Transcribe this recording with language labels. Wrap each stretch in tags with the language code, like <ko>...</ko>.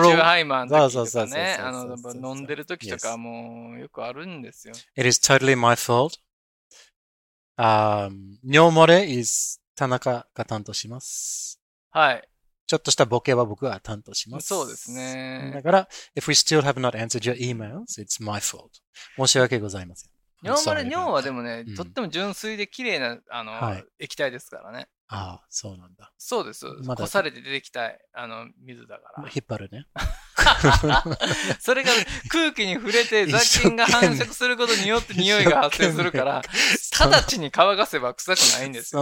<ja>ロー。アルチューハイマーの時とかね、そうそうそうそう、飲んでる時とかもよくあるんですよ。</ja> <en>It is totally my fault.</en> <ja>尿漏れ</ja> <en>is</en> <ja>田中が担当します。はい。ちょっとしたボケは僕が担当します。そうですね。だから、</ja> <en>if we still have not answered your emails, it's my fault.</en> <ja>申し訳ございません。尿はでもね、うん、とっても純粋で綺麗な、はい、液体ですからね。ああ、そうなんだ。そうです。ま、こされて出てきた、水だから。引っ張るね。それが空気に触れて雑菌が繁殖することによって匂いが発生するから、直ちに乾かせば臭くないんですよ。</ja>